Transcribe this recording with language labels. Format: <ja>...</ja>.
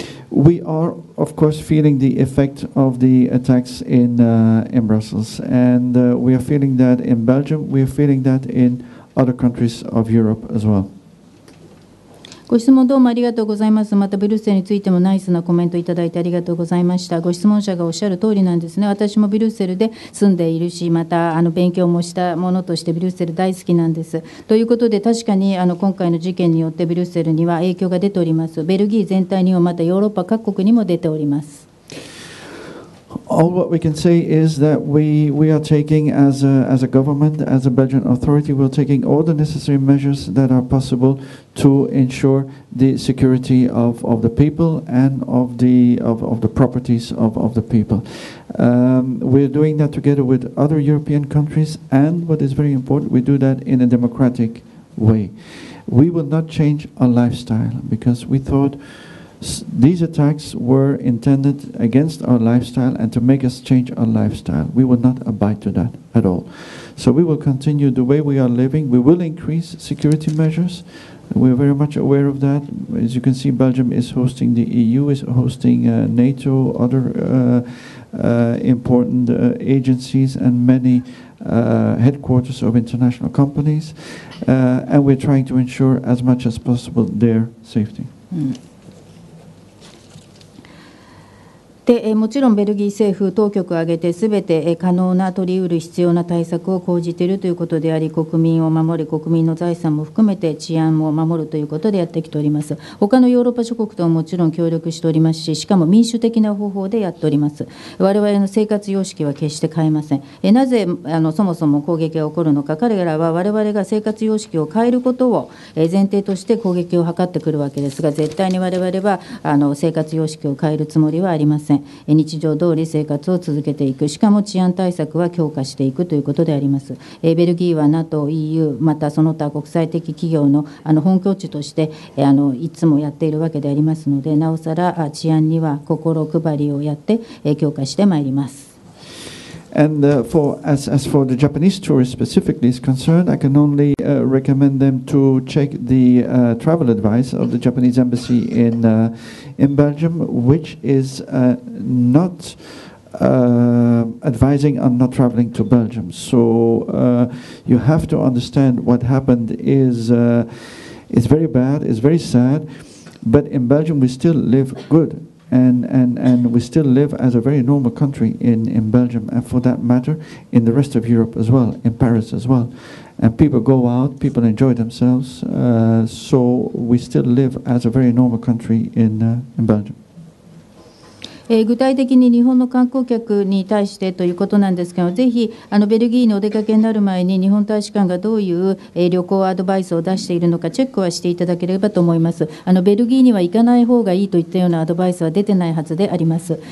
<en>We are, of course, feeling the effect of the attacks in Brussels, and we are feeling that in Belgium. We are feeling that in other countries of Europe as well.</en> <ja>ご質問どうもありがとうございます。またブルッセルについてもナイスなコメントいただいてありがとうございました。ご質問者がおっしゃる通りなんですね。私もブルッセルで住んでいるし、また勉強もしたものとしてブルッセル大好きなんです。ということで確かに今回の事件によってブルッセルには影響が出ております。ベルギー全体にもまたヨーロッパ各国にも出ております。</ja> <en>All what we can say is that we are taking as a government, as a Belgian authority, we're taking all the necessary measures that are possible to ensure the security of the people and of the properties of the people. We're doing that together with other European countries, and what is very important, we do that in a democratic way. We will not change our lifestyle because we thoughtThese attacks were intended against our lifestyle and to make us change our lifestyle. We will not abide to that at all. So we will continue the way we are living. We will increase security measures. We are very much aware of that. As you can see, Belgium is hosting the EU, is hosting NATO, other important agencies and many headquarters of international companies. And we're trying to ensure as much as possible their safety. Mm.</en> <ja>でもちろんベルギー政府当局を挙げてすべて可能な取りうる必要な対策を講じているということであり、国民を守り国民の財産も含めて治安を守るということでやってきております。他のヨーロッパ諸国とももちろん協力しておりますし、しかも民主的な方法でやっております。我々の生活様式は決して変えません。なぜそもそも攻撃が起こるのか、彼らは我々が生活様式を変えることを前提として攻撃を図ってくるわけですが、絶対に我々は生活様式を変えるつもりはありません。日常通り生活を続けていく、しかも治安対策は強化していくということであります。ベルギーは NATO、EU、またその他国際的企業の本拠地としていつもやっているわけでありますので、なおさら治安には心配りをやって強化してまいります。</ja> <en>And as for the Japanese tourist specifically is concerned, I can only recommend them to check the travel advice of the Japanese embassy in Belgium, which is not advising on not traveling to Belgium. So you have to understand what happened is very bad, is very sad, but in Belgium we still live good. And we still live as a very normal country in Belgium, and for that matter, in the rest of Europe as well, in Paris as well. And people go out, people enjoy themselves, so we still live as a very normal country in Belgium.</en> <ja>具体的に日本の観光客に対してということなんですけど、ぜひベルギーにお出かけになる前に日本大使館がどういう旅行アドバイスを出しているのかチェックはしていただければと思います。ベルギーには行かない方がいいといったようなアドバイスは出てないはずであります。</ja>